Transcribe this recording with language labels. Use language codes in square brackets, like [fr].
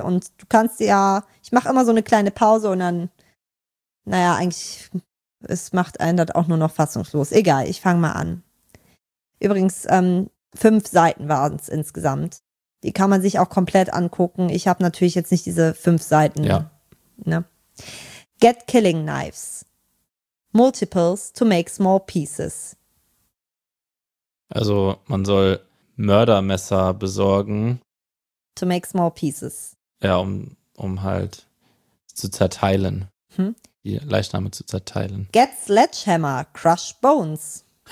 [de] Und du kannst ja, ich mache immer so eine kleine Pause und dann, naja, eigentlich, es macht einen das auch nur noch fassungslos. Egal, ich fange mal an. Übrigens, 5 Seiten waren es insgesamt. Die kann man sich auch komplett angucken. Ich habe natürlich jetzt nicht diese 5 Seiten. Ja. Ne? [en] Get killing knives. Multiples to make small pieces. [de] Also man soll Mördermesser besorgen. [en] To make small pieces. [de] Ja, um halt zu zerteilen. Hm? Die Leichname zu zerteilen. [en] Get Sledgehammer, crush bones.